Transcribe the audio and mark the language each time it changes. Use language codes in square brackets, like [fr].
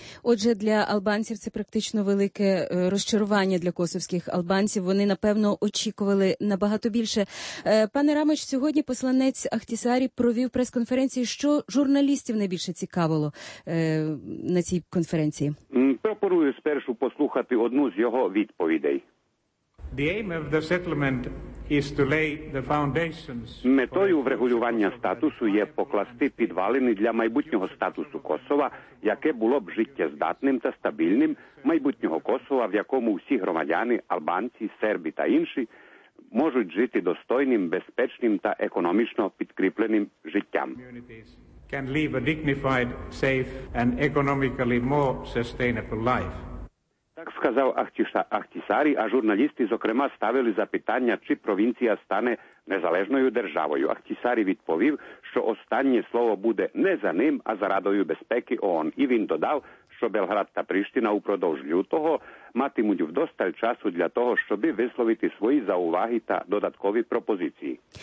[uk] Отже, для албанців це практично велике розчарування для косовських албанців. Вони, напевно, очікували набагато більше. Пане Рамич, сьогодні посланець Ахтісарі провів прес-конференцію. Що журналістів найбільше цікавило на цій конференції? Пропоную спершу послухати одну з його відповідей. [en] The aim of the settlement is to lay the foundations. [uk] Метою врегулювання статусу є покласти підвалини для майбутнього статусу Косова, яке було б життєздатним та стабільним, майбутнього Косова, в якому всі громадяни, албанці, серби та інші, можуть жити достойним, безпечним та економічно підкріпленим життям. [en] Can live a dignified, safe and economically more sustainable life. [uk] Так сказав Ахтісарі, а журналісти, зокрема, ставили запитання, чи провінція стане незалежною державою. Ахтісарі відповів, що останнє слово буде не за ним, а за Радою безпеки ООН. І він додав, що Белград та Приштина упродовж лютого матимуть вдосталь часу для того, щоб висловити свої зауваги та додаткові пропозиції.